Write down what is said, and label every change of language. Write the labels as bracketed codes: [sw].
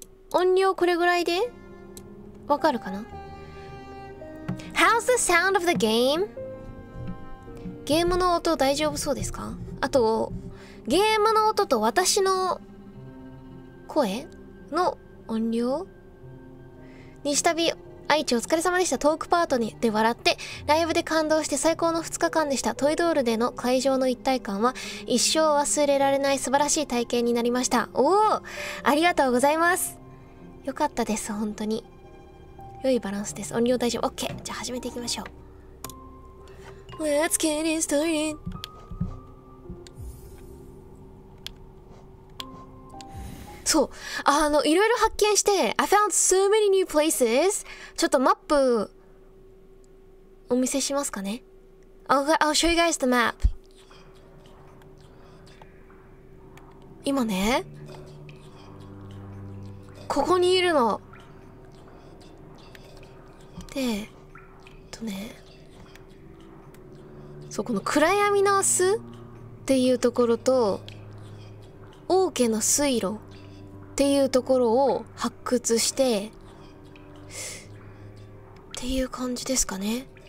[ja] 音量これぐらいでわかるかな。 [en] How's the sound of the game? [ja] ゲームの音大丈夫そうですか。あとゲームの音と私の声の音量。西旅愛知お疲れ様でした。トークパートにで笑ってライブで感動して最高の2日間でした。トイドールでの会場の一体感は一生忘れられない素晴らしい体験になりました。おお、ありがとうございます。よかったです。本当に良いバランスです。音量大丈夫。OK、 じゃあ始めていきましょう。 [en] Let's get it started。 [ja] そう、いろいろ発見して [en] I found so many new places。 [ja] ちょっとマップお見せしますかね。 [en] I'll show you guys the map。 [ja] 今ね、ここにいるので、ね、そう、この暗闇の巣っていうところと王家の水路っていうところを発掘してっていう感じですかね。